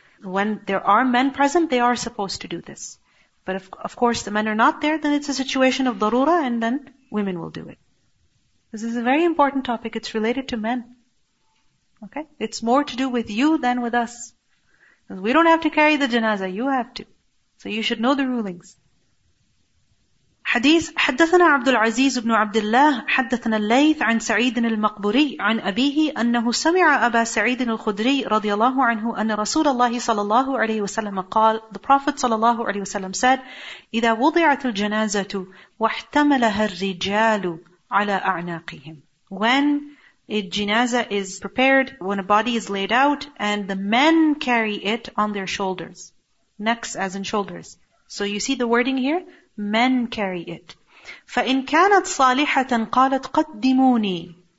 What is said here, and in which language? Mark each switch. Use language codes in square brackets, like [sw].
[en] When there are men present, they are supposed to do this. But if, of course, the men are not there, then it's a situation of darura, and then women will do it. This is a very important topic. It's related to men. Okay? It's more to do with you than with us. Because we don't have to carry the janazah, you have to. So you should know the rulings. [ar] حديث حدثنا عبد العزيز بن عبد الله حدثنا الليث عن سعيد المقبوري عن أبيه أنه سمع أبا سعيد الخدري رضي الله عنه أن رسول الله صلى الله عليه وسلم قال [en] The Prophet صلى الله عليه وسلم said [ar] إذا وضعت الجنازة واحتملها الرجال عَلَىٰ أَعْنَاقِهِمْ. [en] When a janaza is prepared, when a body is laid out, and the men carry it on their shoulders. Necks as in shoulders. So you see the wording here? Men carry it. [ar] فَإِنْ كَانَتْ صَالِحَةً قَالَتْ قَدِّمُونِي.